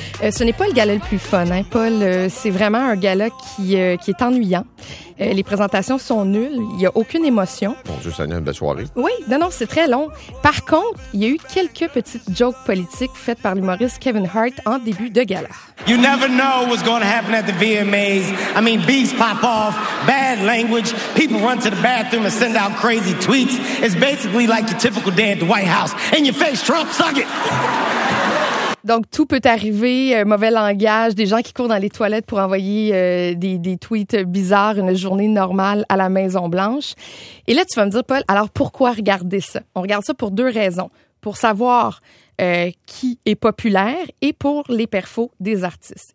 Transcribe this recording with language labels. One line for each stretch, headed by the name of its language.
French: Ce n'est pas le gala le plus fun, hein, Paul. C'est vraiment un gala qui est ennuyant. Les présentations sont nulles. Il n'y a aucune émotion. Bon Dieu, ça n'est une belle soirée. Oui, non, c'est très long. Par contre, il y a eu quelques petites jokes politiques faites par l'humoriste Kevin Hart en début de gala.
English: You never know what's going to happen at the VMAs. I mean, beefs pop off, bad language, people run to the bathroom and send out crazy tweets. It's basically like your typical day at the White House. In your face, Trump, suck it!
French: Donc, tout peut arriver, mauvais langage, des gens qui courent dans les toilettes pour envoyer des tweets bizarres, une journée normale à la Maison-Blanche. Et là, tu vas me dire, Paul, alors pourquoi regarder ça? On regarde ça pour deux raisons. Pour savoir qui est populaire et pour les perfos des artistes.